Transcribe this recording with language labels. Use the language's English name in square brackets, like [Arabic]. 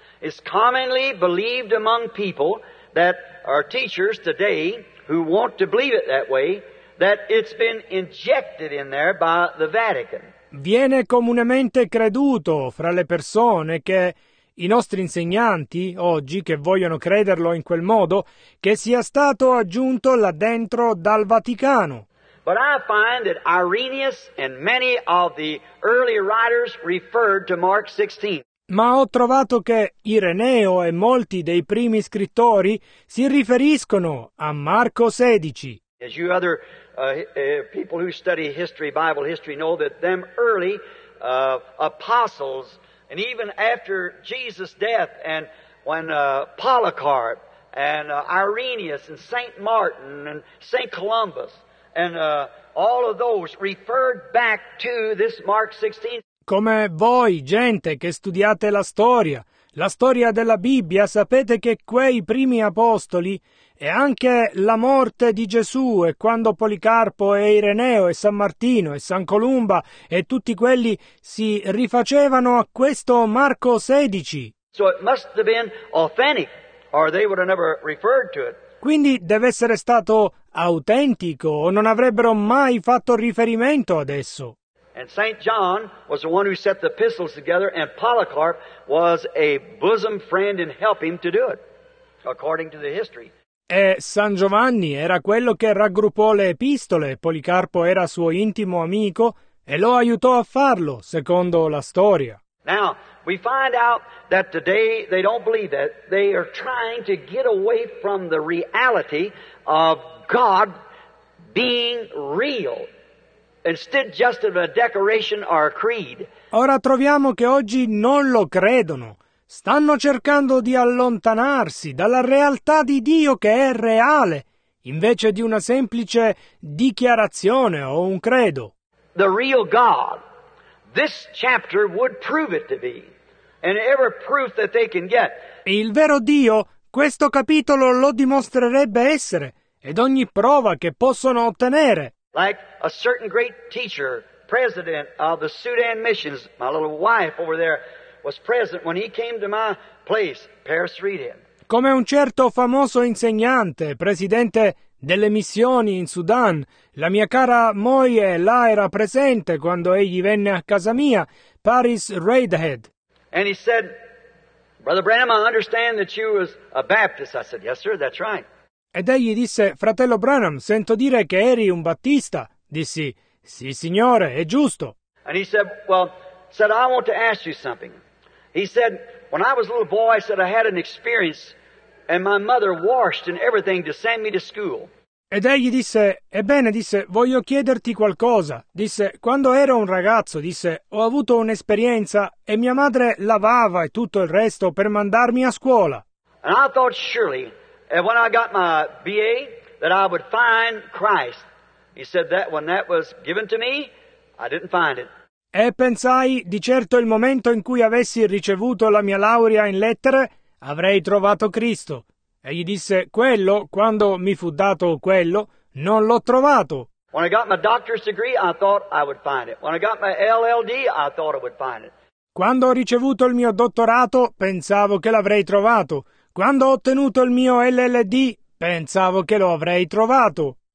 [English] It's commonly believed among people that are teachers today who want to believe it that way, that it's been injected in there by the Vatican. [Italian] Viene comunemente creduto fra le persone che i nostri insegnanti oggi, che vogliono crederlo in quel modo, che sia stato aggiunto là dentro dal Vaticano. [English] But I find that Irenaeus and many of the early writers referred to Mark 16. [Italian] Ma ho trovato che Ireneo e molti dei primi scrittori si riferiscono a Marco 16. [English] As you other people who study history, Bible history, know that them early apostles, and even after Jesus' death, and when Polycarp and Irenaeus and Saint Martin and Saint Columbus, and all of those referred back to this Mark 16. [Italian] Come voi, gente che studiate la storia della Bibbia, sapete che quei primi apostoli e anche la morte di Gesù e quando Policarpo e Ireneo e San Martino e San Columba e tutti quelli si rifacevano a questo Marco 16. [English] So it must have been authentic, or they would have never referred to it. [Italian] Quindi deve essere stato autentico o non avrebbero mai fatto riferimento ad esso. [English] And Saint John was the one who set the epistles together, and Polycarp was a bosom friend and helped him to do it, according to the history. [Italian] E San Giovanni era quello che raggruppò le epistole, Policarpo era suo intimo amico e lo aiutò a farlo, secondo la storia. [English] Now, we find out that today they don't believe that. They are trying to get away from the reality of God being real, instead just of a decoration or a creed. [Italian] Ora troviamo che oggi non lo credono. Stanno cercando di allontanarsi dalla realtà di Dio che è reale, invece di una semplice dichiarazione o un credo. [English] The real God. This chapter would prove it to be, and every proof that they can get. [Italian] Il vero Dio, questo capitolo lo dimostrerebbe essere, ed ogni prova che possono ottenere. [English] Like a certain great teacher, president of the Sudan missions, my little wife over there was present when he came to my place, Paris Reed. [Italian] Come un certo famoso insegnante, presidente delle missioni in Sudan. La mia cara moglie là era presente quando egli venne a casa mia, Paris Reidhead. [English] And he said, Brother Branham, I understand that you was a Baptist. I said, yes, sir, that's right. [Italian] Ed egli disse, fratello Branham, sento dire che eri un battista. Dissi, sì, signore, è giusto. [English] And he said, well, said, I want to ask you something. He said, when I was a little boy, I said, I had an experience and my mother washed and everything to send me to school. [Italian] Ed egli disse, ebbene, disse, voglio chiederti qualcosa. Disse, quando ero un ragazzo, disse, ho avuto un'esperienza e mia madre lavava e tutto il resto per mandarmi a scuola. [English] And I thought surely, and when I got my BA, that I would find Christ. He said that when that was given to me, I didn't find it. [Italian] E pensai, di certo il momento in cui avessi ricevuto la mia laurea in lettere, avrei trovato Cristo. E gli disse, quello, quando mi fu dato quello, non l'ho trovato. [English] When I got my doctor's degree, I thought I would find it. When I got my LLD, I thought I would find it. [Italian] Quando ho ricevuto il mio dottorato, pensavo che l'avrei trovato. Quando ho ottenuto il mio LLD, pensavo che lo avrei trovato.